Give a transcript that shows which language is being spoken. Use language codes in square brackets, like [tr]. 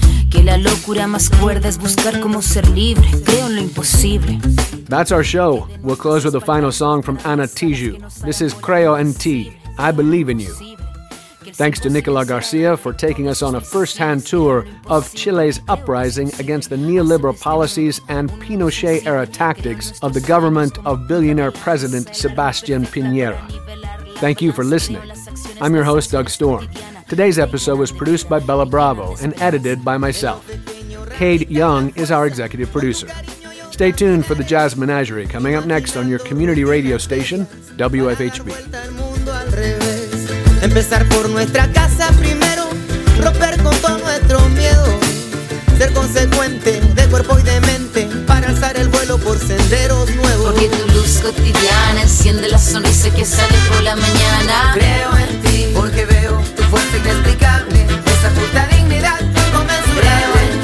[es] Que la locura más cuerda es buscar cómo ser libre. Creo en lo imposible. [en] That's our show. We'll close with a final song from Ana Tiju. This is Creo en Ti. I believe in you. Thanks to Nicola Garcia for taking us on a first-hand tour of Chile's uprising against the neoliberal policies and Pinochet-era tactics of the government of billionaire President Sebastián Piñera. Thank you for listening. I'm your host, Doug Storm. Today's episode was produced by Bella Bravo and edited by myself. Cade Young is our executive producer. Stay tuned for the Jazz Menagerie coming up next on your community radio station, WFHB. [es] Empezar por nuestra casa primero, romper con todo nuestro miedo, ser consecuente de cuerpo y de mente, para alzar el vuelo por senderos nuevos. Porque tu luz cotidiana enciende la sonrisa que sale por la mañana. Creo en ti, porque veo fuerza inexplicable, esa puta dignidad inconmensurable.